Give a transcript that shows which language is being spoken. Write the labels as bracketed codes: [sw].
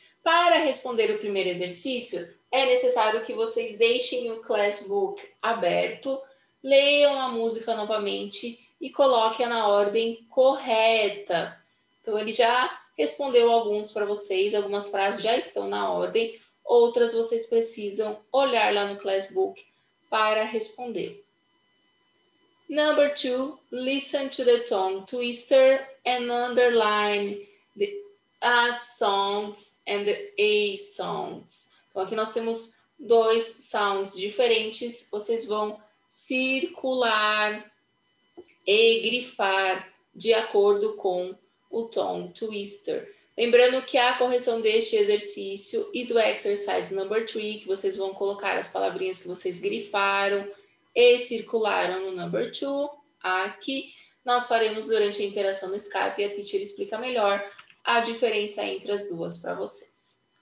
[pt] Para responder o primeiro exercício, é necessário que vocês deixem o class book aberto, leiam a música novamente e coloquem na ordem correta. Então, ele já respondeu alguns para vocês, algumas frases já estão na ordem, outras vocês precisam olhar lá no class book para responder. [en] Number 2, listen to the tongue twister and underline the A sounds and the A sounds. [pt] Então, aqui nós temos dois sounds diferentes. Vocês vão circular e grifar de acordo com o tongue twister. Lembrando que a correção deste exercício e do exercise number 3, que vocês vão colocar as palavrinhas que vocês grifaram e circularam no number 2, aqui, nós faremos durante a interação no Skype e a teacher explica melhor a diferença entre as duas para vocês.